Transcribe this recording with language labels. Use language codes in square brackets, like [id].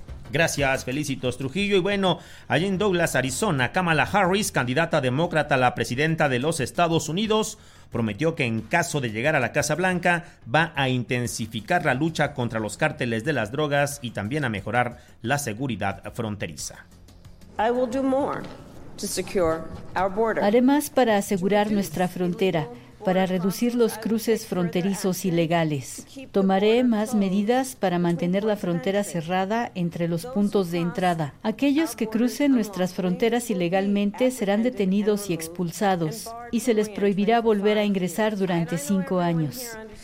[es] Gracias, Felicitos Trujillo. Y bueno, allí en Douglas, Arizona, Kamala Harris, candidata demócrata a la presidenta de los Estados Unidos, prometió que en caso de llegar a la Casa Blanca va a intensificar la lucha contra los cárteles de las drogas y también a mejorar la seguridad fronteriza. [en] I will do more to secure our border. [es] Haré más para asegurar nuestra frontera, para reducir los cruces fronterizos ilegales. Tomaré más medidas para mantener la frontera cerrada entre los puntos de entrada. Aquellos que crucen nuestras fronteras ilegalmente serán detenidos y expulsados, y se les prohibirá volver a ingresar durante 5 años.